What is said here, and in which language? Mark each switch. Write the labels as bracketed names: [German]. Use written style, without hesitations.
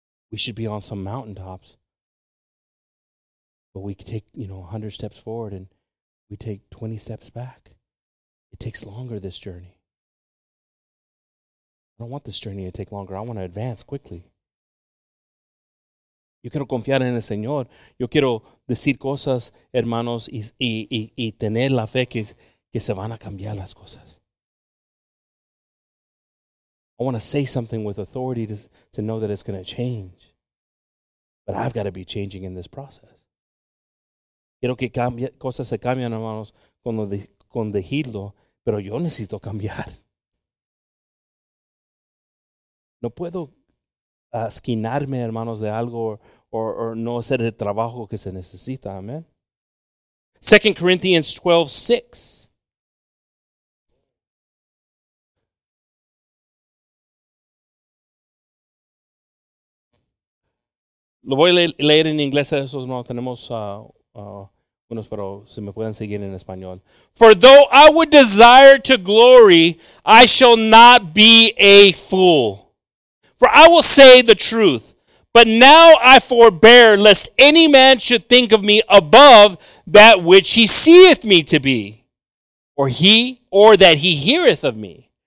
[English] We should be on some mountaintops, but we take, 100 steps forward and we take 20 steps back. It takes longer, this journey. I don't want this journey to take longer. I want to advance quickly. [Spanish] Yo quiero confiar en el Señor. Yo quiero decir cosas, hermanos, y tener la fe que se van a cambiar las cosas. [English] I want to say something with authority to know that it's going to change. But I've got to be changing in this process. [Spanish] Quiero que cambie, cosas se cambian, hermanos, con decirlo, pero yo necesito cambiar. No puedo esquinarme, hermanos, de algo or no hacer el trabajo que se necesita. Amen. [English] 2 Corinthians 12:6. [Spanish] Lo voy a leer en inglés, eso no tenemos unos, pero si me pueden seguir en español. [English] For though I would desire to glory, I shall not be a fool. For I will say the truth, but now I forbear, lest any man should think of me above that which he seeth me to be, or that he heareth of me.